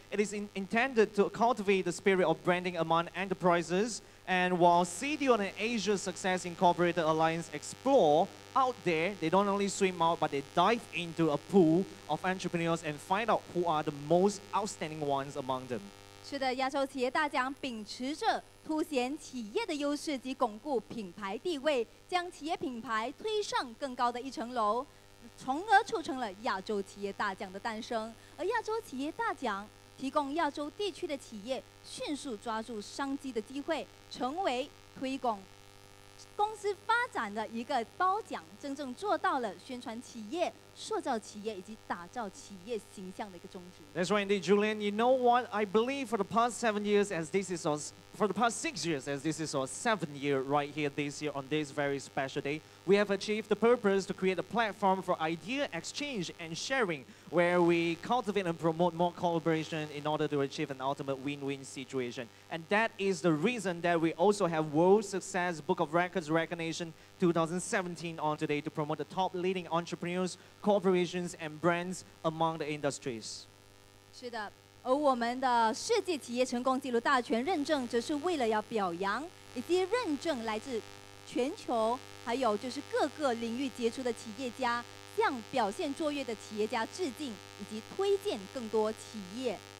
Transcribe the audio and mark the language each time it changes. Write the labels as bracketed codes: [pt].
[en] It is intended to cultivate the spirit of branding among enterprises. And while CDEO and Asia Success Incorporated Alliance explore,Out there, they don't only swim out, but they dive into a pool of entrepreneurs and find out who are the most outstanding ones among them. [zh] 是的，亚洲企业大奖秉持着凸显企业的优势及巩固品牌地位，将企业品牌推上更高的一层楼，从而促成了亚洲企业大奖的诞生。而亚洲企业大奖提供亚洲地区的企业迅速抓住商机的机会，成为推广。公司发展的一个褒奖，真正做到了宣传企业、塑造企业以及打造企业形象的一个宗旨。 [en] That's right, indeed, Julian. You know what? I believe for the past 7 years, as this is our for the past 6 years, as this is our 7th year right here this year on this very special day, we have achieved the purpose to create a platform for idea exchange and sharing, where we cultivate and promote more collaboration in order to achieve an ultimate win-win situation. And that is the reason that we also have World Success Book of Records Recognition 2017 on today to promote the top leading entrepreneurs, corporations, and brands among the industries. [zh] 是的，而我们的世界企业成功纪录大全认证，则是为了要表扬以及认证来自全球，还有就是各个领域杰出的企业家，向表现卓越的企业家致敬，以及推荐更多企业。